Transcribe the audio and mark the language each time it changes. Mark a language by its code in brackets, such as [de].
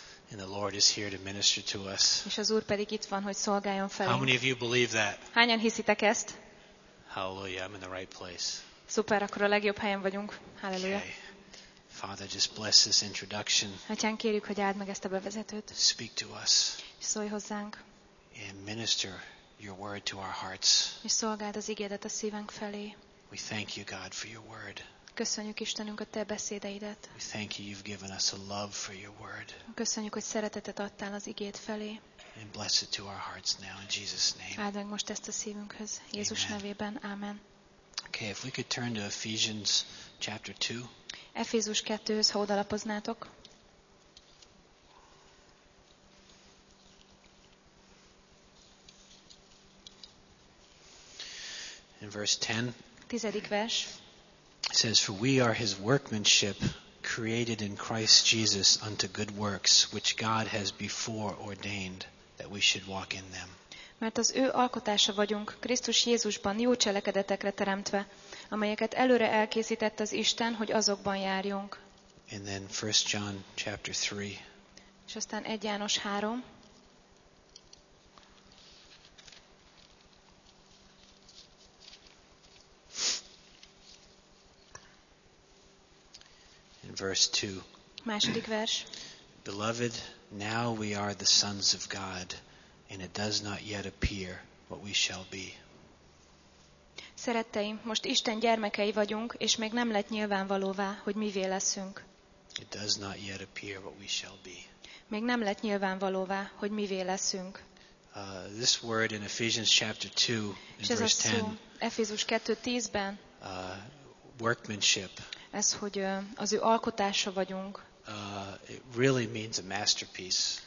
[en] And the Lord is here to minister to us. [hu] És az Úr pedig itt van, hogy szolgáljon felünk. [en] How many of you believe that? [hu] Hányan hiszitek ezt? [en] Hallelujah, I'm in the right place. [hu] Szuper, akkor a legjobb helyen vagyunk. [en] Hallelujah. Okay. Father, just bless this introduction. [hu] Atyánk, kérjük, hogy áld meg ezt a bevezetőt. [en] Speak to us. [hu] Szólj hozzánk. [en] And minister your word to our hearts. [hu] És szolgáld az igédet a szívünk felé. [en] We thank you, God, for your word. [hu] Köszönjük Istenünk a te beszédeidet. [en] We thank you, you've given us a love for your word. [hu] Köszönjük, hogy szeretetet adtál az igéd felé. [en] And bless it to our hearts now in Jesus' name. [hu] Áld meg most ezt a szívünkhöz, Jézus nevében. [en] Amen. Okay, if we could turn to Ephesians chapter 2. [hu] Efézus 2-höz, ha odalapoznátok. [en] In verse 10. [hu] Tizedik vers. [en] It says, "For we are his workmanship, created in Christ Jesus unto good works, which God has before ordained that we should walk in them." [hu] Mert az ő alkotása vagyunk, Krisztus Jézusban jó cselekedetekre teremtve, amelyeket előre elkészített az Isten, hogy azokban járjunk. [en] And then 1 John chapter 3. [hu] És aztán 1 János 3. [en] In verse 2. [hu] Második vers. [en] Beloved, now we are the sons of God, and it does not yet appear what we shall be. [hu] Szeretteim, most Isten gyermekei vagyunk, és még nem lett nyilvánvalóvá, hogy mivé leszünk. [en] It does not yet appear what we shall be. [hu] Még nem lett nyilvánvalóvá, hogy mivé leszünk. [en] This word in Ephesians chapter 2, in verse 10. [hu] Efézus 2:10-ben. [en] Workmanship. [hu] Ez, hogy az ő alkotása vagyunk. [en] It really means a masterpiece.